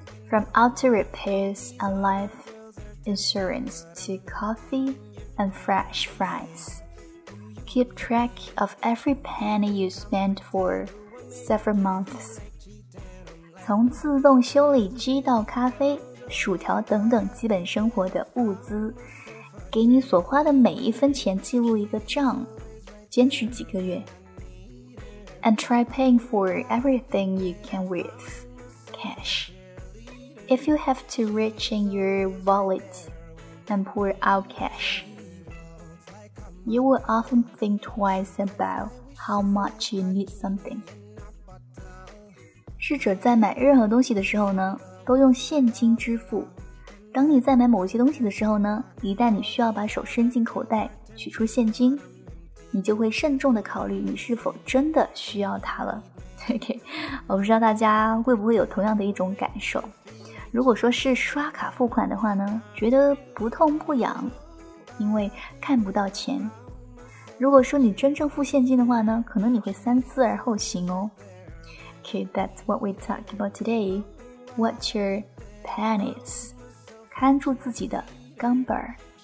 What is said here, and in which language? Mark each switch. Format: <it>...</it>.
<en>From auto repairs and life insurance to coffee and fresh fries， keep track of every penny you spend for several months。</en> <zh>从自动修理机到咖啡。薯条等等基本生活的物资，给你所花的每一分钱记录一个账，坚持几个月。</zh> <en>And try paying for everything you can with cash. If you have to reach in your wallet and pull out cash, you will often think twice about how much you need something.</en> <zh>试着在买任何东西的时候呢都用现金支付。当你在买某些东西的时候呢，一旦你需要把手伸进口袋取出现金，你就会慎重地考虑你是否真的需要它了。 OK， 我不知道大家会不会有同样的一种感受，如果说是刷卡付款的话呢，觉得不痛不痒，因为看不到钱。如果说你真正付现金的话呢，可能你会三思而后行哦。</zh> <en>OK， that's what we talk about todayWatch your pennies，</en> <zh>看住自己的钢镚儿。</zh>